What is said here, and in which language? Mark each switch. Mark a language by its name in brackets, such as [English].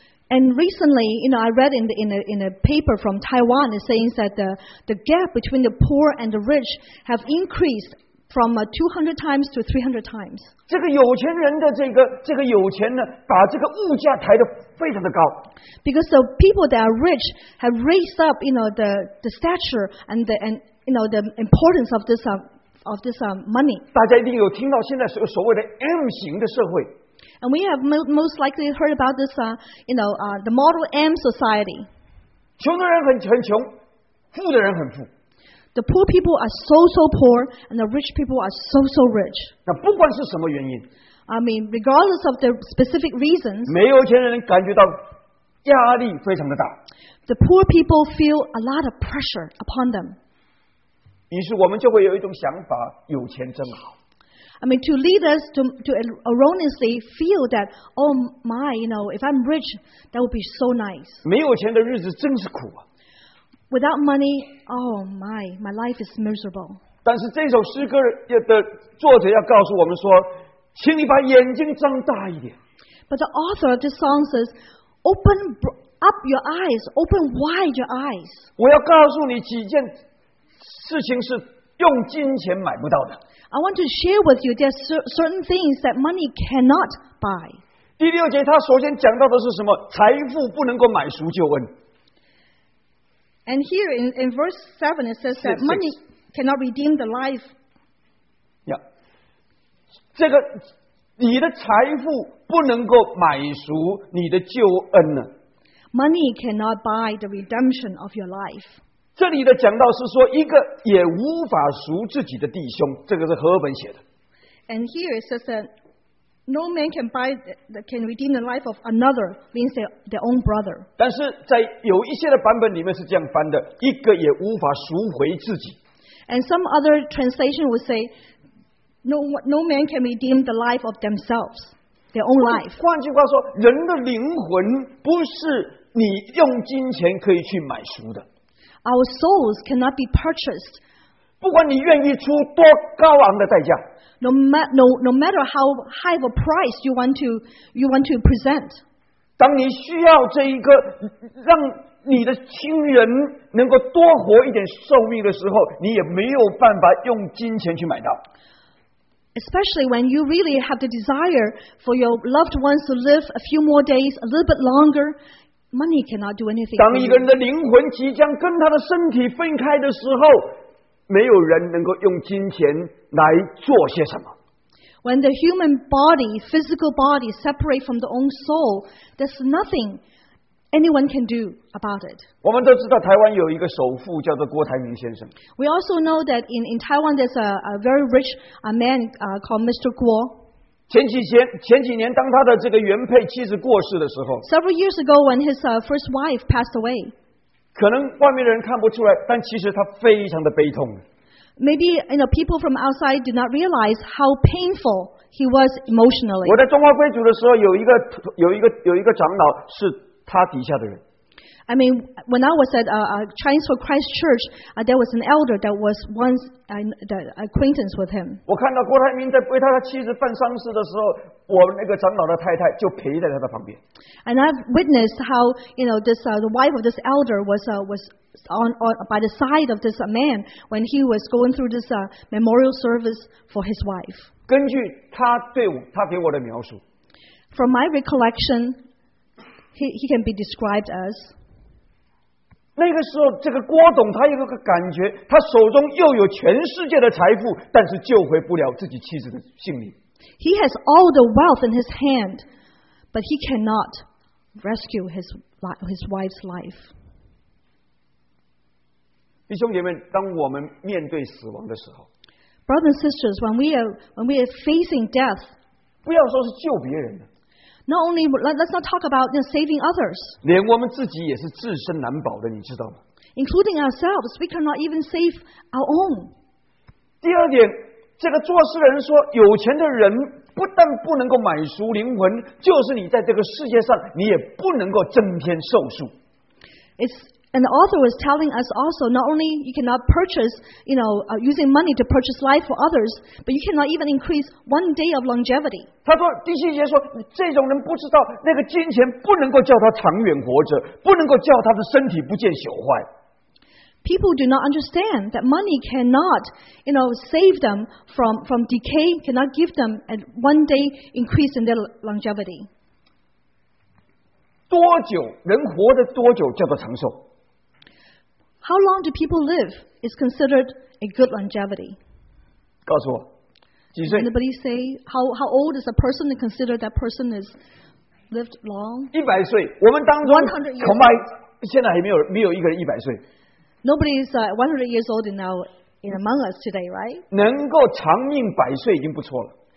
[English] And recently, you know, I read in a paper from Taiwan saying that the gap between the poor and the rich have increased. From 200 times to 300 times. [Chinese] 这个有钱人的这个有钱呢，把这个物价抬得非常的高。 [English] Because the people that are rich have raised up, you know, the stature and the and you know the importance of this money. [Chinese] 大家一定有听到现在所谓的 M 型的社会。 [English] And we have most likely heard about this, the Model M society. [Chinese] 穷的人很穷，富的人很富。 [English] The poor people are so, so poor, and the rich people are so, so rich. [Chinese] 那不管是什么原因, [English] I mean, regardless of the specific reasons, [Chinese] 没有钱人感觉到压力非常的大。 [English] The poor people feel a lot of pressure upon them. [Chinese] 于是我们就会有一种想法，有钱真好。 [English] I mean, to lead us to erroneously feel that, oh my, you know, if I'm rich, that would be so nice. [Chinese] 没有钱的日子真是苦啊。 [English] Without money, oh my, my life is miserable. [Chinese] 但是这首诗歌的作者要告诉我们说，请你把眼睛张大一点。 [English] But the author of this song says, open up your eyes, open wide your eyes. [Chinese] 我要告诉你几件事情是用金钱买不到的。 [English] I want to share with you there are certain things that money cannot buy. [Chinese] 第六节他首先讲到的是什么？财富不能够买赎救恩。 [English] And here in verse 7 it says that money cannot redeem the life. Yeah. [Chinese] 这个你的财富不能够买赎你的救恩呢。 [English] Money cannot buy the redemption of your life. [Chinese] 这里的讲到是说，一个也无法赎自己的弟兄，这个是何本写的。 [English] And here it says that no man can buy the, can redeem the life of another, means their own brother. [Chinese] 但是在有一些的版本里面是这样翻的，一个也无法赎回自己。 [English] And some other translation would say, no man can redeem the life of themselves, their own life. [Chinese] 换句话说，人的灵魂不是你用金钱可以去买赎的。 [English] Our souls cannot be purchased. [Chinese] 不管你愿意出多高昂的代价。 [English] No matter how high of a price you want to present. [Chinese] 当你需要这一个让你的亲人能够多活一点寿命的时候，你也没有办法用金钱去买到。 [English] Especially when you really have the desire for your loved ones to live a few more days, a little bit longer. Money cannot do anything. [Chinese] 当一个人的灵魂即将跟他的身体分开的时候，没有人能够用金钱来做些什么。 [English] When the human body, physical body, separate from the own soul, there's nothing anyone can do about it. [Chinese] 我们都知道台湾有一个首富叫做郭台铭先生。 [English] We also know that in Taiwan there's a very rich man called Mr. Guo. [Chinese] 前几年当他的这个原配妻子过世的时候 [English] Several years ago when his first wife passed away [Chinese] 可能外面的人看不出来但其实他非常的悲痛 [English] Maybe you know, people from outside did not realize how painful he was emotionally [Chinese] 我在中华贵族的时候有一个长老是他底下的人 [English] I mean when I was at a Chinese for Christ Church there was an elder that was onceThe acquaintance with him. [Chinese] 我看到郭台铭在为他妻子办丧事的时候，我那个长老的太太就陪在他的旁边。 [English] And I've witnessed how you know this the wife of this elder was on by the side of this man when he was going through this memorial service for his wife. [Chinese] 根据他给我的描述 [English] ，from my recollection, he can be described as. [Chinese] 那个时候这个郭董他有一个感觉他手中又有全世界的财富但是救回不了自己妻子的性命。 [English] He has all the wealth in his hand, but he cannot rescue his wife's life. [Chinese] 弟兄姐妹当我们面对死亡的时候 [English] Brothers and sisters, when we are facing death, [Chinese] 不要说是救别人的。 [English] Not only let's not talk about saving others. [Chinese] 连我们自己也是自身难保的，你知道吗 [English] ？Including ourselves, we cannot even save our own. [Chinese] 第二点，这个作诗人说，有钱的人不但不能够买赎灵魂，就是你在这个世界上，你也不能够增添寿数。 [English] And the author was telling us also, not only you cannot purchase, you know, using money to purchase life for others, but you cannot even increase one day of longevity. [Chinese] 他说第七节说，这种人不知道那个金钱不能够叫他长远活着，不能够叫他的身体不见朽坏。 [English] People do not understand that money cannot, you know, save them from decay, cannot give them a one day increase in their longevity. [Chinese] 多久人活得多久叫做长寿？ [English] How long do people live is considered a good longevity? [Chinese] 告诉我，几岁 [English] ？Anybody say how old is a person to consider that person is lived long? [Chinese] 100岁，我们当中恐怕现在还没有一个人100岁。 [English] Nobody is 100 years old now in among us today, right? [Chinese] 能够长命百岁已经不错了。